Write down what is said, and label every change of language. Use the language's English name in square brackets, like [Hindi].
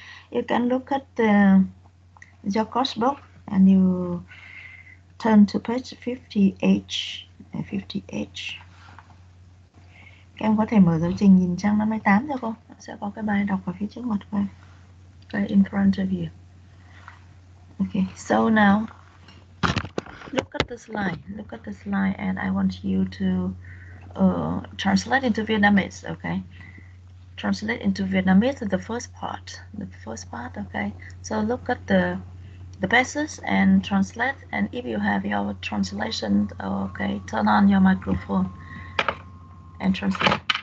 [English] You can look at your course book and you turn to page 50H. [Vietnamese] Em có thể mở giáo trình nhìn trang 58 cho cô. Sẽ có cái bài đọc ở phía trước mặt cô. [English] Okay, in front of you. Okay, so now look at the slide and I want you to translate into Vietnamese, okay? Translate into Vietnamese the first part, okay? So look at the basis and translate, and if you have your translation, okay, turn on your microphone and translate.